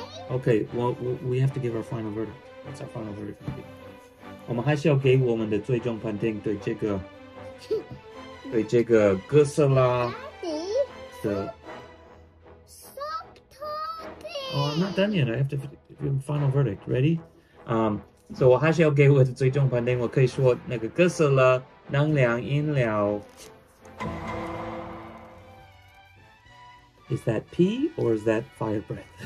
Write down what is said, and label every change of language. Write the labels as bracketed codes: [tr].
[en] Okay, we have to give our final verdict. What's our final verdict? [zh] 我们还是要给我们的最终判定对这个，对这个哥斯拉的。 [en] Stop talking. Oh, I'm not done yet. I have to give my final verdict. Ready? [zh] So 我还是要给我的最终判定。我可以说那个哥斯拉能量饮料。 [en] Is that pee or is that fire breath?